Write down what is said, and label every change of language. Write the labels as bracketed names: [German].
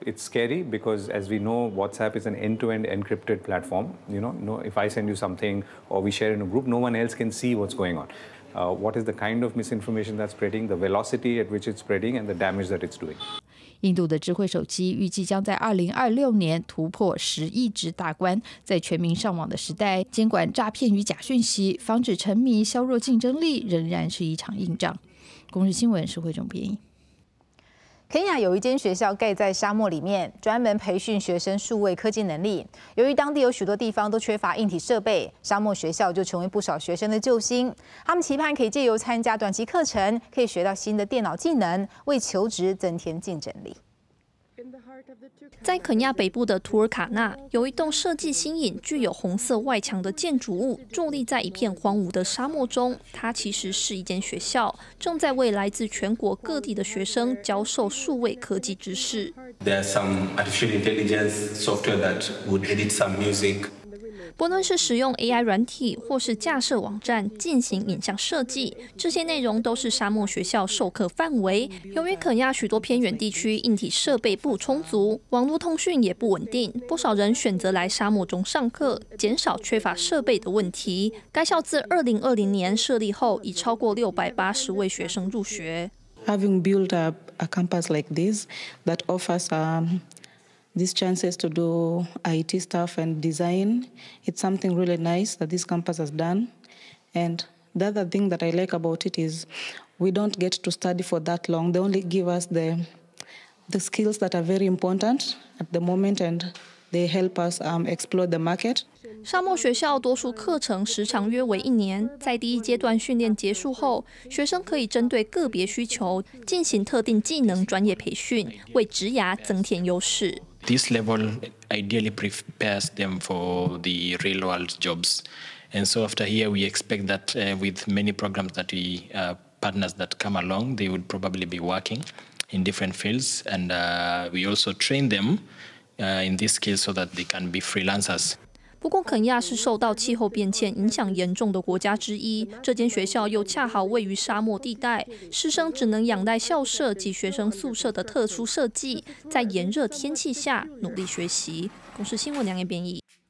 [English] It's scary because, as we know, WhatsApp is an end-to-end encrypted platform. You know, no, if I send you something or we share in a group, no one else can see what's going on. What is the kind of misinformation that's spreading, the velocity at which it's spreading, and the damage that it's doing. [Chinese] 印度的智慧手机预计将在2026年突破10亿只大关。在全民上网的时代，监管诈骗与假讯息，防止沉迷，削弱竞争力，仍然是一场硬仗。公视新闻是汇总编译。肯亚有一间学校盖在沙漠里面，专门培训学生数位科技能力。由于当地有许多地方都缺乏硬体设备，沙漠学校就成为不少学生的救星。他们期盼可以借由参加短期课程，可以学到新的电脑技能，为求职增添竞争力。在肯亚北部的图尔卡纳，有一栋设计新颖、具有红色外墙的建筑物，伫立在一片荒芜的沙漠中。它其实是一间学校，正在为来自全国各地的学生教授数位科技知识。 [English] There's some artificial intelligence software that would edit some music. [Chinese] 不论是使用 AI 软体或是架设网站进行影像设计，这些内容都是沙漠学校授课范围。由于肯亚许多偏远地区硬体设备不充足，网络通讯也不稳定，不少人选择来沙漠中上课，减少缺乏设备的问题。该校自2020年设立后，已超过680位学生入学。 [English] Having built up a campus like this that offers these chances to do IT stuff and design, it's something really nice that this campus has done. And the other thing that I like about it is we don't get to study for that long. They only give us the skills that are very important at the moment, and they help us explore the market. [Chinese] 沙漠学校多数课程时长约为1年，在第一阶段训练结束后，学生可以针对个别需求进行特定技能专业培训，为职涯增添优势。 [English] This level ideally prepares them for the real world jobs, and so after here we expect that with many programs that we partners that come along, they would probably be working. in different fields, and we also train them in this case so that they can be freelancers. [Chinese] 不过肯亚是受到气候变迁影响严重的国家之一，这间学校又恰好位于沙漠地带，师生只能仰赖校舍及学生宿舍的特殊设计，在炎热天气下努力学习。公视新闻梁彦编译。